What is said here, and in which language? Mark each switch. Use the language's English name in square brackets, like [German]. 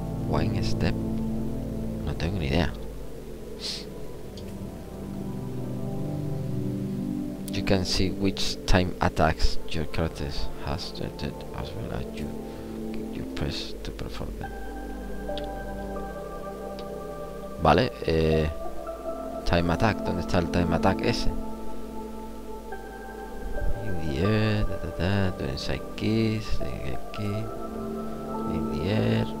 [English] One step. [Spanish] No tengo ni idea. [English] You can see which time attacks your character has started as well as you press to perform them. [Spanish] Vale, Time Attack, ¿dónde está el Time Attack ese? [English] In the air, doing sidekick, in the air.